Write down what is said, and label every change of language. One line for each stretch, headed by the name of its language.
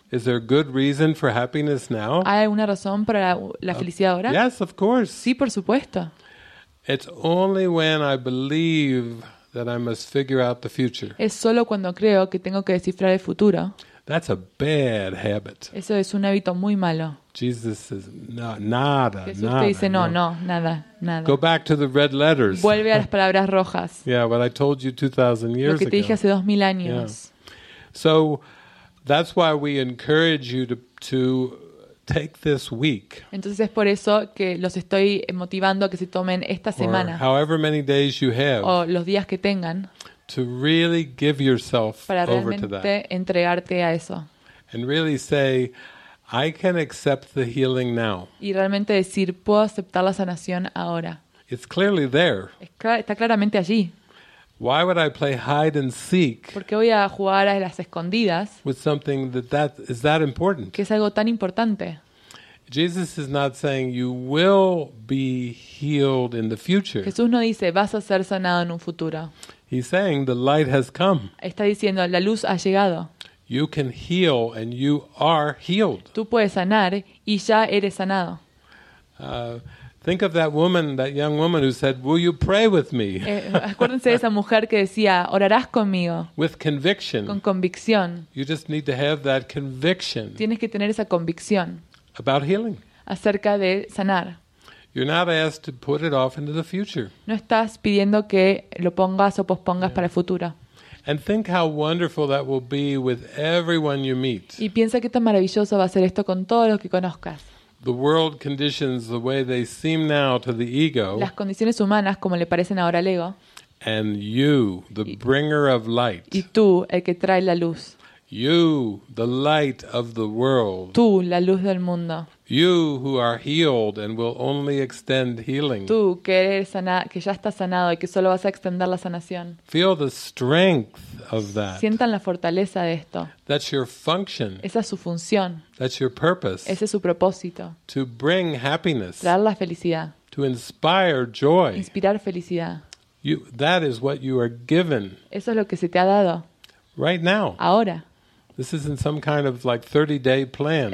English: Is there a good reason for happiness now?
Spanish: ¿Hay una razón para la felicidad ahora?
English: Yes, of course.
Spanish: Sí, por supuesto.
English: It's only when I believe that I must figure out the future.
Spanish: Es solo cuando creo que tengo que descifrar el futuro.
English: That's a bad habit.
Spanish: Eso es un hábito muy malo.
English: Jesus says no,
Spanish: nada, Jesús nada. Jesús te dice no, nada, nada.
English: Go back to the red letters.
Spanish: Vuelve a las palabras rojas.
English: Yeah, what I told you 2,000 years ago.
Spanish: Lo que te dije hace 2,000 años.
English: So that's why we encourage you to take this week.
Spanish: Entonces es por eso que los estoy motivando a que se tomen esta semana.
English: Or however many days you have.
Spanish: O los días que tengan.
English: To really give yourself over to that.
Spanish: Para realmente entregarte a eso.
English: And really say, I can accept the healing now.
Spanish: Y realmente decir, puedo aceptar la sanación ahora.
English: It's clearly there.
Spanish: Está claramente allí.
English: Why would I play hide and seek?
Spanish: ¿Por qué voy a jugar a las escondidas?
English: With something that is that important.
Spanish: Que es algo tan importante.
English: Jesus is not saying you will be healed in the future.
Spanish: Jesús no dice vas a ser sanado en un futuro.
English: He's saying the light has come.
Spanish: Está diciendo la luz ha llegado.
English: You can heal and you are healed.
Spanish: Tú puedes sanar y ya eres sanado.
English: Think of that woman, that young woman who said, "Will you pray with me?"
Spanish: Acuérdense de esa mujer que decía, "Orarás conmigo."
English: With conviction.
Spanish: Con convicción.
English: You just need to have that conviction.
Spanish: Tienes que tener esa convicción.
English: About healing.
Spanish: Acerca de sanar.
English: You're not asked to put it off into the future.
Spanish: No estás pidiendo que lo pongas o pospongas para el futuro.
English: And think how wonderful that will be with everyone you meet.
Spanish: Y piensa qué tan maravilloso va a ser esto con todos los que conozcas.
English: The world conditions the way they seem now to the ego.
Spanish: Las condiciones humanas como le parecen ahora al ego.
English: And you, the bringer of light.
Spanish: Y tú, el que trae la luz.
English: You, the light of the world.
Spanish: Tú, la luz del mundo.
English: You who are healed and will only extend healing.
Spanish: Tú que eres sanado, que ya estás sanado y que solo vas a extender la sanación.
English: Feel the strength of that.
Spanish: Sientan la fortaleza de esto.
English: That's your function.
Spanish: Esa es su función.
English: That's your purpose.
Spanish: Ese es su propósito.
English: To bring happiness.
Spanish: Traer la felicidad.
English: To inspire joy.
Spanish: Inspirar felicidad.
English: You, that is what you are given.
Spanish: Eso es lo que se te ha dado.
English: Right now.
Spanish: Ahora.
English: This isn't some kind of like 30-day plan.